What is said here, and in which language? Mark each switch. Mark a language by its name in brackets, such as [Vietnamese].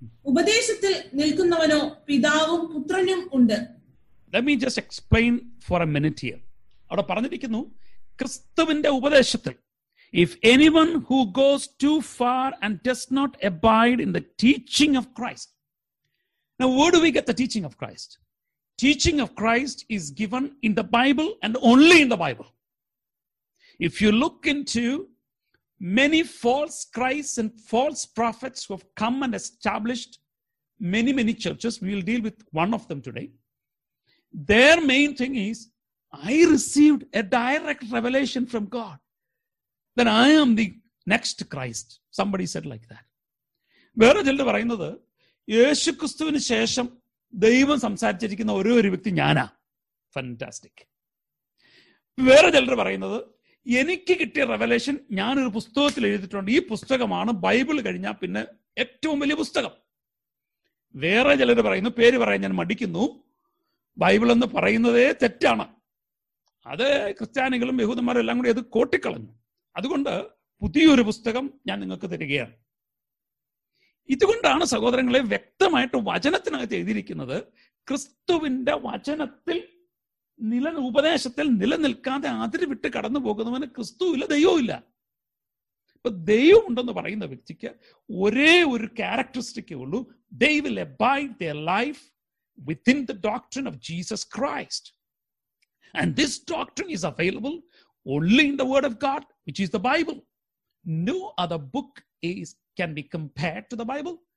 [Malayalam] ഉപദേശത്തിൽ നിൽക്കുന്നവനോ പിതാവും പുത്രനും ഉണ്ട്. [English] Let me just explain for a minute here. [Malayalam] അവിടെ പറഞ്ഞിരിക്കുന്നു, ക്രിസ്തുവിന്റെ ഉപദേശത്തിൽ, [English] if anyone who goes too far and does not abide in the teaching of Christ. Now where do we get the teaching of Christ? Teaching of Christ is given in the Bible and only in the Bible. If you look into many false Christs and false prophets who have come and established many churches, we will deal with one of them today. Their main thing is, I received a direct revelation from God that I am the next Christ. Somebody said like that. [Malayalam] വേറെ ചിലർ പറയുന്നത്, യേശു ക്രിസ്തുവിന് ശേഷം ദൈവം സംസാരിച്ചിരിക്കുന്ന ഒരു വ്യക്തി ഞാനാ. Fantastic. വേറെ ചിലർ പറയുന്നത്, എനിക്ക് കിട്ടിയ റെവലേഷൻ ഞാനൊരു പുസ്തകത്തിൽ എഴുതിയിട്ടുണ്ട്, ഈ പുസ്തകമാണ് ബൈബിൾ കഴിഞ്ഞാൽ പിന്നെ ഏറ്റവും വലിയ പുസ്തകം. വേറെ ചിലർ പറയുന്നു, പേര് പറയാൻ ഞാൻ മടിക്കുന്നു, ബൈബിൾ എന്ന് പറയുന്നതേ തെറ്റാണ്. അത് ക്രിസ്ത്യാനികളും യഹൂദന്മാരും എല്ലാം കൂടി അത് കോട്ടിക്കളഞ്ഞു. അതുകൊണ്ട് പുതിയൊരു പുസ്തകം ഞാൻ നിങ്ങൾക്ക് തരികയാണ്. ഇതുകൊണ്ടാണ് സഹോദരങ്ങളെ, വ്യക്തമായിട്ട് വചനത്തിനകത്ത് എഴുതിയിരിക്കുന്നത്, ക്രിസ്തുവിന്റെ വചനത്തിൽ ഉപദേശത്തിൽ നിലനിൽക്കാതെ അതിര് വിട്ട് കടന്നു പോകുന്നവന് ക്രിസ്തുവില്ല, ദൈവമില്ല. ഇപ്പൊ ദൈവം ഉണ്ടെന്ന് പറയുന്ന വ്യക്തിക്ക് ഒരേ ഒരു ക്യാരക്ടറിസ്റ്റിക്കേ ഉള്ളൂ, [English] ദൈവ ലബൈഡ് the life within the doctrine of Jesus Christ. And this doctrine is available only in the word of God, which is the Bible. No other book can be compared to the Bible.